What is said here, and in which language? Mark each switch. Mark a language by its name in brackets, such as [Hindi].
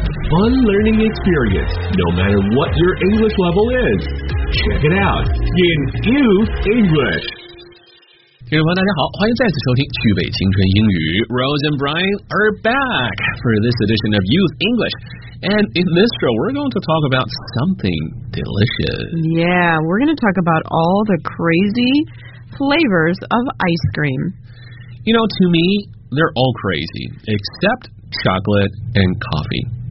[English] Fun learning experience, no matter what your English level is. Check it out in Use English. [Chinese] 听众朋友大家好，欢迎再次收听趣味青春英语。 [English] Rose and Brian are back for this edition of Use English. And in this show, we're going to talk about something delicious. Yeah, we're going to talk about all the crazy... flavors of ice cream. You know, to me, they're all crazy, except chocolate and coffee.